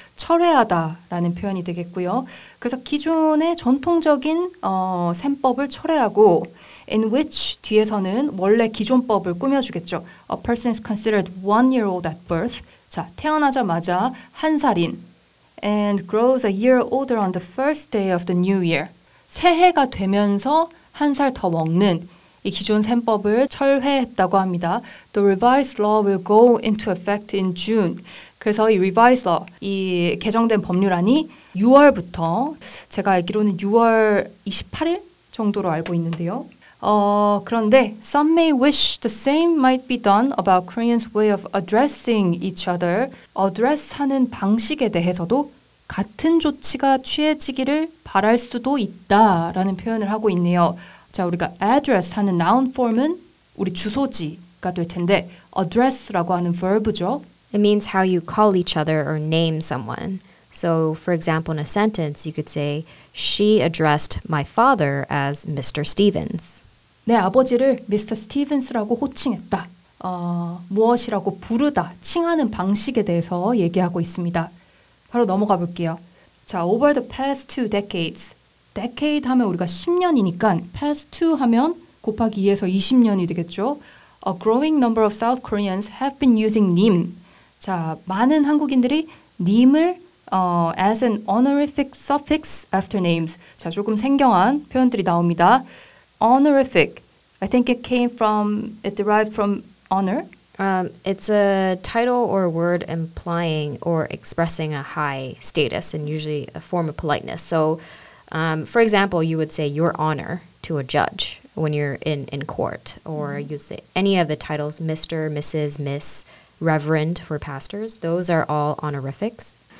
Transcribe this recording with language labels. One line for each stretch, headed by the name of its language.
Korean: 철회하다라는 표현이 되겠고요. 그래서 기존의 전통적인 셈법을 철회하고
English: in which
Korean: 뒤에서는 원래 기존 법을 꾸며주겠죠.
English: A person is considered 1 year old at birth.
Korean: 자, 태어나자마자 한 살인.
English: And grows a year older on the first day of the new year.
Korean: 새해가 되면서 한 살 더 먹는 이 기존 셈법을 철회했다고 합니다.
English: The revised law will go into effect in June.
Korean: 그래서 이 revised law, 이 개정된 법률안이 6월부터 제가 알기로는 6월 28일 정도로 알고 있는데요. 그런데
English: some may wish the same might be done about Koreans' way of addressing each other.
Korean: Address하는 방식에 대해서도 같은 조치가 취해지기를 바랄 수도 있다라는 표현을 하고 있네요. 자, 우리가 address하는 noun form은 우리 주소지가 될 텐데 address라고 하는 verb죠.
English: It means how you call each other or name someone. So, for example, in a sentence, you could say, she addressed my father as Mr. Stevens.
Korean: 내 아버지를 Mr. Stevens라고 호칭했다. 무엇이라고 부르다, 칭하는 방식에 대해서 얘기하고 있습니다. 바로 넘어가 볼게요. 자,
English: over the past two decades.
Korean: decade 하면 우리가 10년이니까
English: past two
Korean: 하면 곱하기 2에서 20년이 되겠죠.
English: A growing number of South Koreans have been using 님.
Korean: 자, 많은 한국인들이 님을
English: as an honorific suffix after names.
Korean: 자, 조금 생경한 표현들이 나옵니다.
English: honorific. I think it came from, it derived from honor. It's a title or word implying or expressing a high status and usually a form of politeness. So, for example, you would say your honor to a judge when you're in court, or you say any of the titles, Mr., Mrs., Miss., Reverend for pastors, those are all honorifics.